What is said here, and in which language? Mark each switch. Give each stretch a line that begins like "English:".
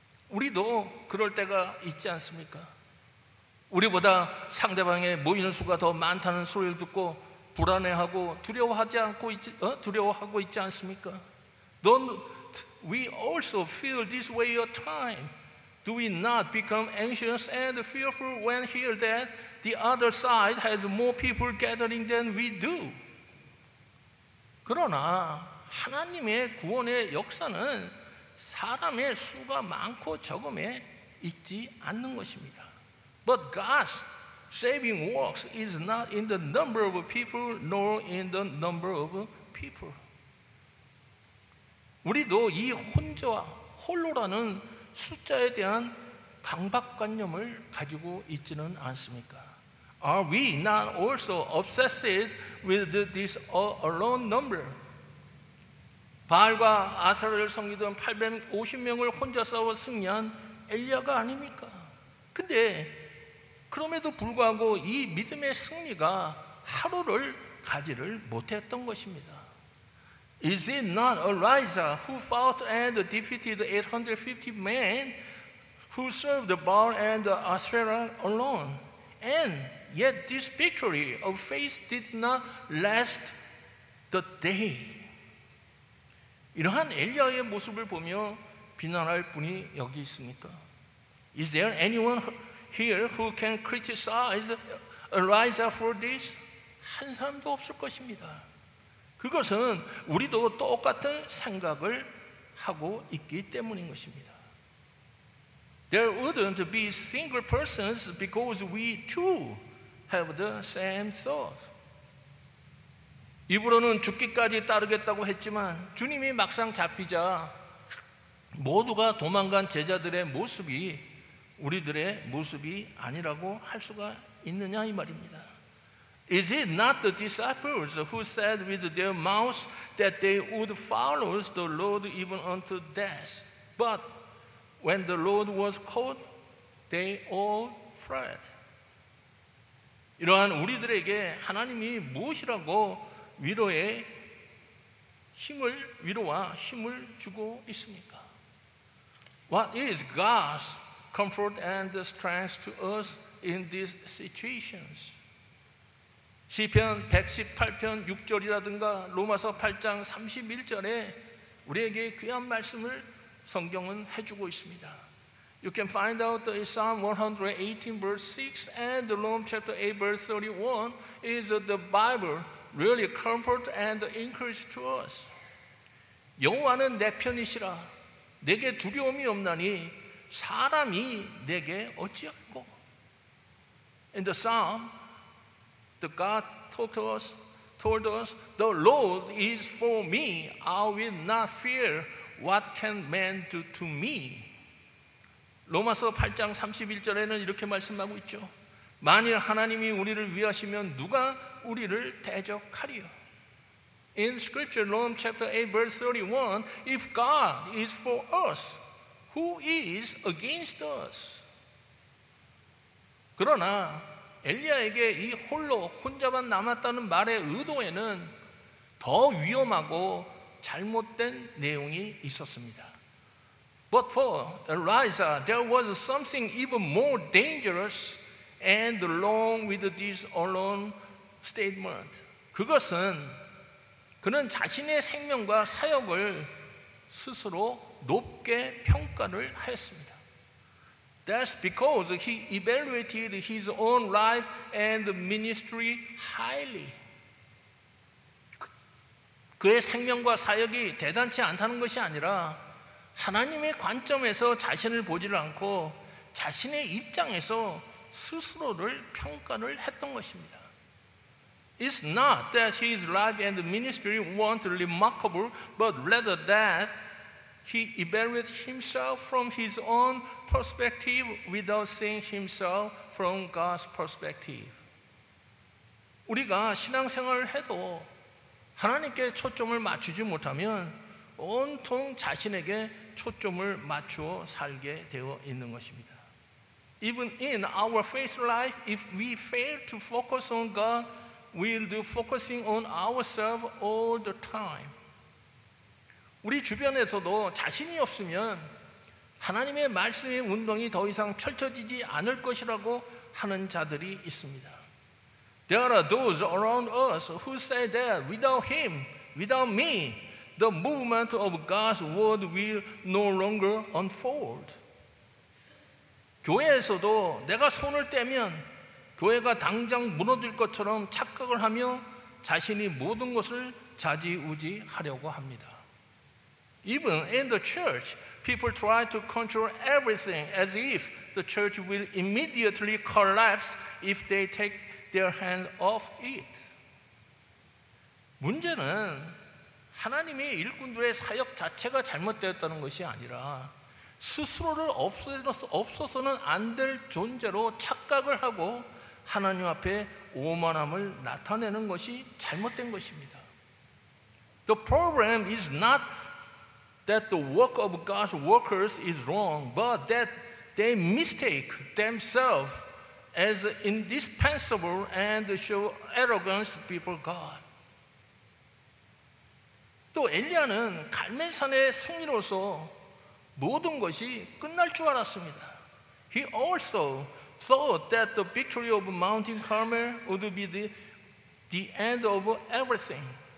Korean: 우리도 그럴 때가 있지 않습니까? 우리보다 상대방의 모이는 수가 더 많다는 소리를 듣고 불안해하고 두려워하고 있지 않습니까?
English: Don't we also feel this way at times? Do we not become anxious and fearful when hear that the other side has more people gathering than we do?
Korean: 그러나 하나님의 구원의 역사는 사람의 수가 많고 적음에 있지 않는 것입니다.
English: But God's saving works is not in the number of people nor in the number of people.
Korean: 우리도 이 혼자와 홀로라는 숫자에 대한 강박관념을 가지고 있지는 않습니까?
English: Are we not also obsessed with this alone number?
Korean: 바알과 아사라를 섬기던 850명을 혼자 싸워 승리한 엘리야가 아닙니까? 근데 그럼에도 불구하고 이 믿음의 승리가 하루를 가지를 못했던 것입니다.
English: Is it not Elijah who fought and defeated 850 men who served Baal and Asherah alone? And yet this victory of faith did not last the day.
Korean: 이러한 엘리야의 모습을 보며 비난할 분이 여기 있습니까?
English: Is there anyone here who can criticize Elijah for this?
Korean: 한 사람도 없을 것입니다. 그것은 우리도 똑같은 생각을 하고 있기 때문인 것입니다.
English: There wouldn't be single persons because we too have the same thought.
Korean: 입으로는 죽기까지 따르겠다고 했지만 주님이 막상 잡히자 모두가 도망간 제자들의 모습이 우리들의 모습이 아니라고 할 수가 있느냐 이 말입니다.
English: Is it not the disciples who said with their mouths that they would follow the Lord even unto death? But when the Lord was called, they all fled.
Korean: 이러한 우리들에게 하나님이 무엇이라고 위로의 힘을 위로와 힘을 주고 있습니까?
English: What is God's comfort and strength to us in these situations?
Korean: 시편 118편 6절이라든가 로마서 8장 31절에 우리에게 귀한 말씀을 성경은 해주고 있습니다.
English: You can find out the Psalm 118 verse 6 and the Psalm chapter 8 verse 31 is the Bible really comfort and encourage to us.
Korean: 여호와는 내 편이시라 내게 두려움이 없나니 사람이 내게 어찌하고.
English: In the Psalm, the God told us, the Lord is for me, I will not fear. What can man do to me?
Korean: 로마서 8장 31절에는 이렇게 말씀하고 있죠. 만일 하나님이 우리를 위하시면 누가 우리를 대적하리요?
English: In Scripture, Romans chapter 8, verse 31, if God is for us, who is against us?
Korean: 그러나 엘리야에게 이 홀로 혼자만 남았다는 말의 의도에는 더 위험하고 잘못된 내용이 있었습니다.
English: But for Elijah, there was something even more dangerous and along with this alone statement.
Korean: 그것은 그는 자신의 생명과 사역을 스스로 높게 평가를 하였습니다.
English: That's because he evaluated his own life and ministry highly.
Korean: 그의 생명과 사역이 대단치 않다는 것이 아니라 하나님의 관점에서 자신을 보지를 않고 자신의 입장에서 스스로를 평가를 했던 것입니다.
English: It's not that his life and ministry weren't remarkable, but rather that he evaluated himself from his own perspective without seeing himself from God's perspective.
Korean: 우리가 신앙생활을 해도 하나님께 초점을 맞추지 못하면 온통 자신에게 초점을 맞추어 살게 되어 있는 것입니다.
English: Even in our faith life, if we fail to focus on God, we'll do focusing on ourselves all the time.
Korean: 우리 주변에서도 자신이 없으면 하나님의 말씀의 운동이 더 이상 펼쳐지지 않을 것이라고 하는 자들이 있습니다.
English: There are those around us who say that without him, without me, the movement of God's word will no longer unfold.
Korean: 교회에서도 내가 손을 떼면 교회가 당장 무너질 것처럼 착각을 하며 자신이 모든 것을 좌지우지하려고 합니다.
English: Even in the church, people try to control everything as if the church will immediately collapse if they take their hand off it.
Korean: 문제는 하나님의 일꾼들의 사역 자체가 잘못되었다는 것이 아니라 스스로를 없어서는 안 될 존재로 착각을 하고 하나님 앞에 오만함을 나타내는 것이 잘못된 것입니다.
English: The problem is not that the work of God's workers is wrong, but that they mistake themselves as indispensable and show arrogance before God.
Korean: 또 엘리야는 갈멜산의 승리로서 모든 것이 끝날 줄 알았습니다.
English: He also thought that the victory of Mount Carmel would be the end of everything.